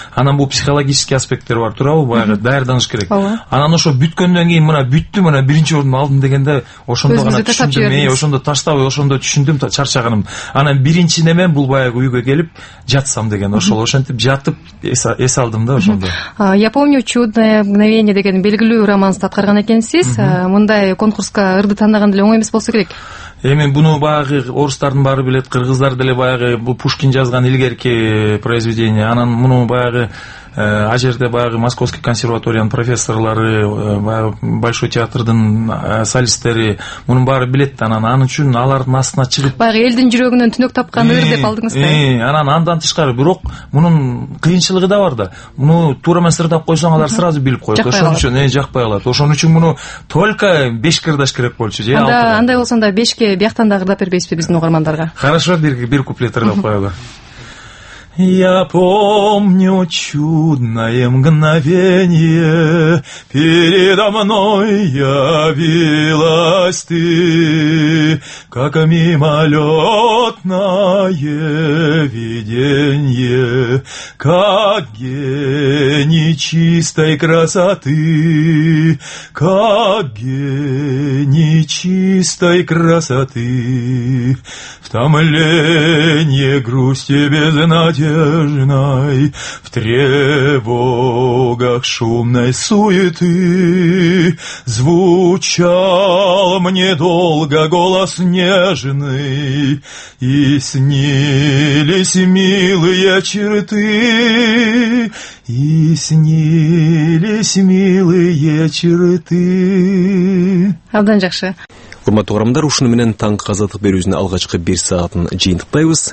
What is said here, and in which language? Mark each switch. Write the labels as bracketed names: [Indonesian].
[Kyrgyz] Анан бул психологический аспекттер бар, туурабы? Баягы даярданыш керек. Анан ошо бүткөндөн кийин мына бүттүм, мына биринчи орун алдым дегенде ошондо гана түшүндүм, ошондо таштабай, ошондо түшүндүм чарчаганым. Анан биринчи неме бул баягы үйгө келип жатсам деген ошол, ошентип жатып эс алдым да ошондо. [Russian] Я помню чудное мгновение [Kyrgyz] деген белгилүү романсты аткарган экенсиз. Мындай конкурска ырды тандаган деле оңой эмес болсо керек. Эми буну баягы орустардын баары билет, кыргыздар деле баягы бул Пушкин жазган илгерки произведение. Анан муну баягы ал жерде баягы Московский консерваториянын профессорлору, баягы Большой театрдын солисттери мунун баары билет да. Анан ан үчүн алардын астына чыгып баягы элдин жүрөгүнөн түнөк тапкан ыр деп алдыңыз да. Анан андан тышкары бирок мунун кыйынчылыгы да бар да, муну туура эмес ырдап койсоң алар сразу билип коет, ошон үчүн жакпай калат. Ошон үчүн муну только 5 кырдаш керек болчу же 6. Андай болсо анда 5ке бияктан дагы ырдап бербейсизби биздин угармандарга? Хорошо, бир куплет ырдап коелу. [Russian] Я помню чудное мгновение, передо мной явилась ты, как мимолетное виденье, как гений чистой красоты, как гений чистой красоты, в томленье грусти без надежды, в тревогах шумной суеты звучал мне долго голос нежный, и снились милые черты, и снились милые черты. [Kyrgyz] Абдан жакшы. Урматтуу угармандар, ушуну менен таңкы азаттык берүүбүздүн алгачкы бир саатын жыйынтыктайбыз.